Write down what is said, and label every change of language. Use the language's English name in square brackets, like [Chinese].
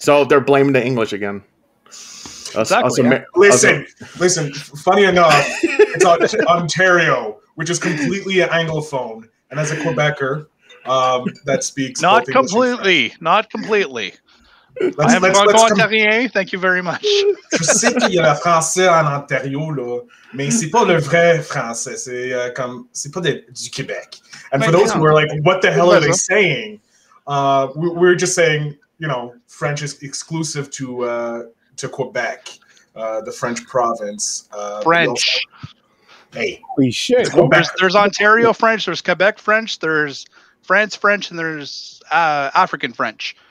[English] so they're blaming the English again. Listen. Funny enough, it's Ontario, which is completely anglophone, and as a Quebecer, that speaks not completely, not completely. I'm from Ontario. Thank you very much. [French] Je sais qu'il y a le français en Ontario, là, mais c'est pas le vrai français. C'est comme c'est pas du Québec. [English] And for those who are like, what the hell are they saying? We're just saying, you know, French is exclusive to Quebec, the French province. French. Hey. Shit. There's Ontario French, there's Quebec French, there's France French, and there's African French.